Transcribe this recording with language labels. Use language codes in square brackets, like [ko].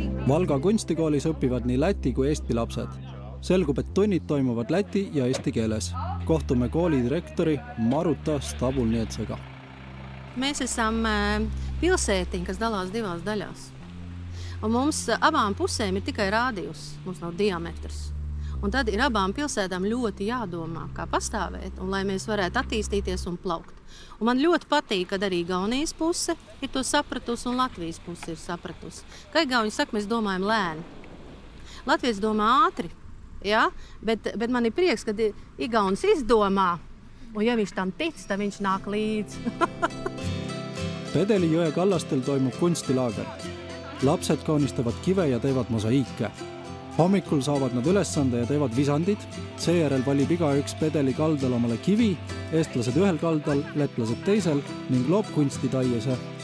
[et] Valga kunstikoolis õpivad nii Läti kui Eesti lapsed. Selgub, et tunnid toimuvad Läti ja Eesti keeles. Kohtume koolidirektori Maruta Stabulnietsega. [lv] Mēs esam pilsētiņi, kas dalās divās daļās. Un mums abām pusēm ir tikai rādījus, mums nav diametrs. Un tad ir abām pilsētām ļoti jādomā, kā pastāvēt, un lai mēs varētu attīstīties un plaukt. Un man ļoti patīk, kad arī Igaunijas puse ir to sapratusi un Latvijas puse ir sapratusi. Kā Igauņi saka, mēs domājam lēni. Latvijas domā ātri, ja? bet man ir prieks, kad Igaunis izdomā, un ja viņš tam tic, tad viņš nāk līdz. [et] Pedeli jõe kallastel toimub kunstilaager. Lapsed kaunistavad kive ja teevad mosaiike. Hommikul saavad nad ülesande ja teevad visandid. Seejärel valib iga üks pedeli kaldal omale kivi, eestlased ühel kaldal, lätlased teisel ning loob kunsti taiese.